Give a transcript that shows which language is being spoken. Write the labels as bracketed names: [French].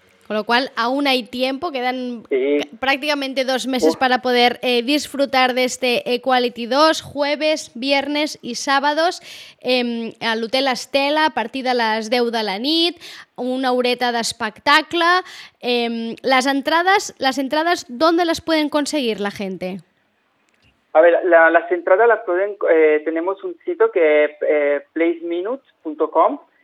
[Spanish] Con lo cual aún hay tiempo, quedan prácticamente 2 meses para poder disfrutar de este Equality 2, jueves, viernes y sábados, [Catalan] a l'Hotel Estela, partida a les 10 de la nit, una horeta d'espectacle. Les entrades, d'on les poden aconseguir la gent? [Spanish] A ver, [Catalan] les entrades les poden... [Spanish] tenemos un sitio que es placeminutes.com.